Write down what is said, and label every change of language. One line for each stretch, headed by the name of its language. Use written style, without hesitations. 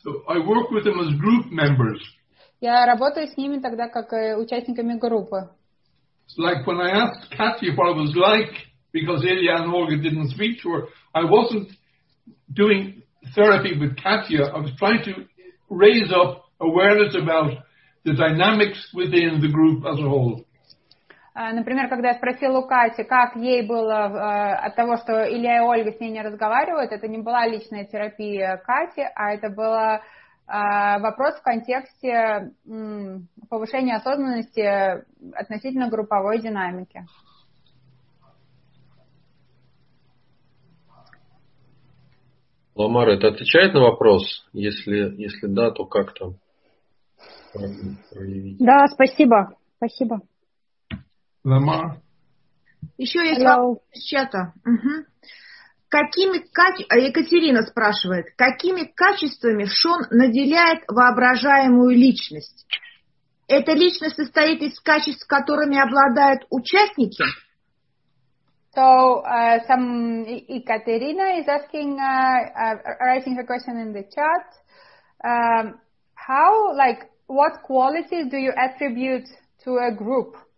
English: So I work with them as group members.
Russian: Я работаю с ними тогда как участниками группы.
English: Like when I asked Kathy what it was like, because Ilya and Olga didn't speak to her, I wasn't doing therapy with Kathy. I was trying to raise up awareness about the dynamics within the group as a whole.
Russian: Например, когда я спросила у Кати, как ей было от того, что Илья и Ольга с ней не разговаривают, это не была личная терапия Кати, а это был вопрос в контексте повышения осознанности относительно групповой динамики. Ламар, это отвечает на вопрос? Если да, то как там проявить? Да, спасибо. Спасибо. Ламар. Еще есть вопрос из чата. Угу. Екатерина спрашивает, какими качествами Шон наделяет воображаемую личность? Эта личность состоит из качеств, которыми обладают участники?
English: So, Екатерина is asking, writing her question in the chat. How, like, what qualities do you attribute to a group?